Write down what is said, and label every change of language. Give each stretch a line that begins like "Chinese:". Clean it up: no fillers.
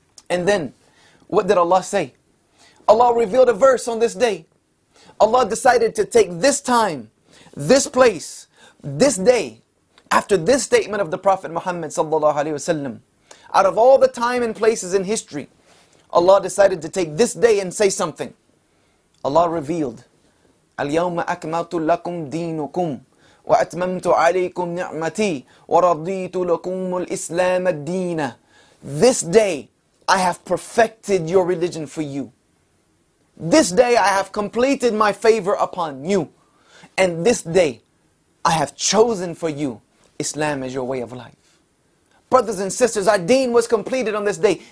English: And then, what did Allah say? Allah revealed a verse on this day. Allah decided to take this time, this place, this day, after this statement of the Prophet Muhammad sallallahu alaihi wasallam, out of all the time and places in history, Allah decided to take this day and say something. Allah revealed,
Arabic: اليوم أكملت لكم دينكم وأتممت عليكم نعمتي ورضيت لكم الإسلام الدين.
English: This day I have perfected your religion for you. This day I have completed my favor upon you. And this day I have chosen for you Islam as your way of life. Brothers and sisters, our deen was completed on this day.